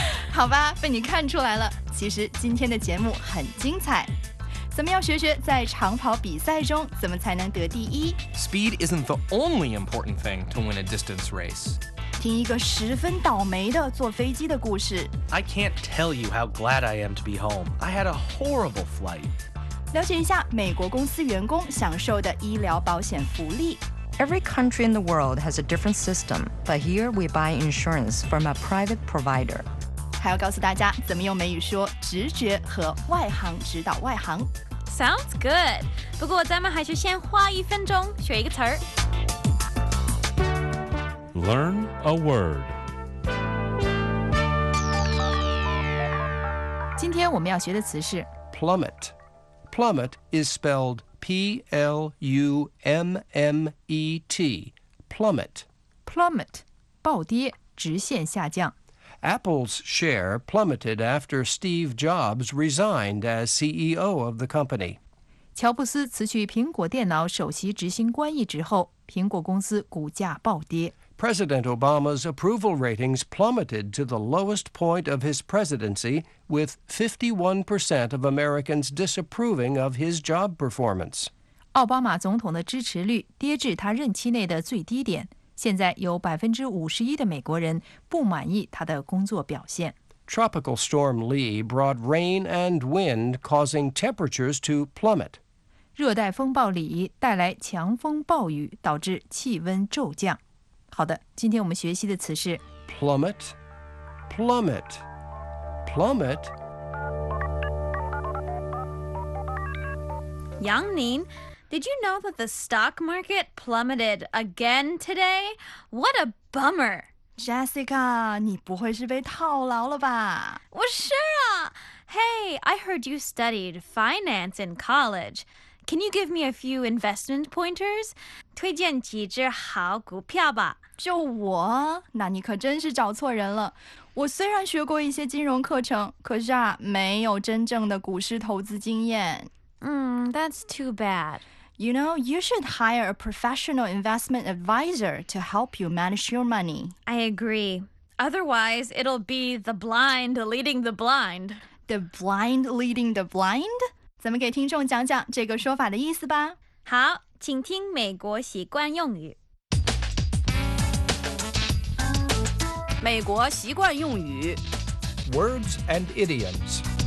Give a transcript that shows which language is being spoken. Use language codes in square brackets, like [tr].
[zh] 好吧，被你看出来了。其实今天的节目很精彩。怎么样学学在长跑比赛中怎么才能得第一？ [en] Speed isn't the only important thing to win a distance race. [zh] 听一个十分倒霉的坐飞机的故事。 [en] I can't tell you how glad I am to be home. I had a horrible flight. [zh] 了解一下美国公司员工享受的医疗保险福利。 [en] Every country in the world has a different system, but here we buy insurance from a private provider. [zh] 还要告诉大家怎么用美语说直觉和外行指导外行。 [en] Sounds good. [zh] 不过咱们还是先花一分钟学一个词儿。 [en] Learn a word. [zh] 今天我们要学的词是 [en] plummet. Plummet is spelled P-L-U-M-M-E-T. Plummet. [zh] Plummet, 暴跌，直线下降。 [en] Apple's share plummeted after Steve Jobs resigned as CEO of the company. [zh] 乔布斯辞去苹果电脑首席执行官一职后，苹果公司股价暴跌。 [en] President Obama's approval ratings plummeted to the lowest point of his presidency, with 51% of Americans disapproving of his job performance. [zh] 奥巴马总统的支持率跌至他任期内的最低点。现在有51%的美国人不满意他的工作表现。 [en] Tropical Storm Lee brought rain and wind, causing temperatures to plummet. [zh] 热带风暴李带来强风暴雨，导致气温骤降。好的，今天我们学习的词是 [en] plummet, plummet, plummet。 [zh] 杨宁。 [en] Did you know that the stock market plummeted again today? What a bummer! [zh] Jessica, 你不会是被套牢了吧？我是啊。 [en] Hey, I heard you studied finance in college. Can you give me a few investment pointers? [zh] 推荐几只好股票吧。就我？那你可真是找错人了。我虽然学过一些金融课程，可是啊，没有真正的股市投资经验。 [en] That's too bad. You know, you should hire a professional investment advisor to help you manage your money. I agree. Otherwise, it'll be the blind leading the blind. The blind leading the blind? [zh] 咱们给听众讲讲这个说法的意思吧。好，请听美国习惯用语。美国习惯用语。 [en] Words and idioms.